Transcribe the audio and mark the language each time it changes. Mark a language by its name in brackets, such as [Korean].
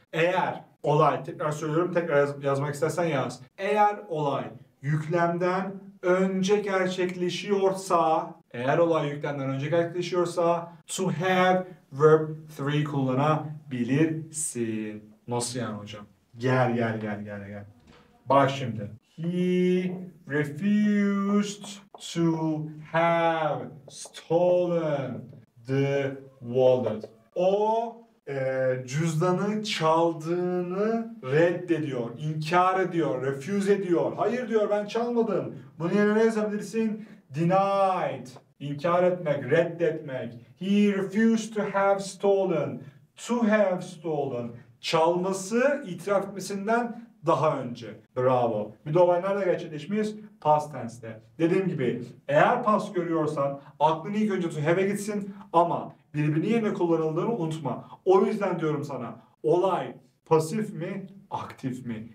[Turkish] Eğer olay, tekrar söylüyorum, tekrar yazmak istersen yaz. Eğer olay yüklemden önce gerçekleşiyorsa, eğer olay yüklemden önce gerçekleşiyorsa to have verb 3 kullanabilirsin. Nasıl yani hocam? Gel. Bak şimdi. [English] He refused to have stolen the wallet. [Turkish] O cüzdanı çaldığını reddediyor, inkar ediyor, refuse ediyor. Hayır diyor, ben çalmadım. Bunun yerine ne yazabilirsin? Denied. İnkar etmek, reddetmek. [English] He refused to have stolen. To have stolen. [Turkish] Çalması itiraf etmesinden daha önce. Bravo. Bir de olay nerede gerçekleşmiş? Past tense'de. Dediğim gibi eğer past görüyorsan aklın ilk önce to have'e gitsin ama birbirini yerine kullanıldığını unutma. O yüzden diyorum sana, olay pasif mi, aktif mi?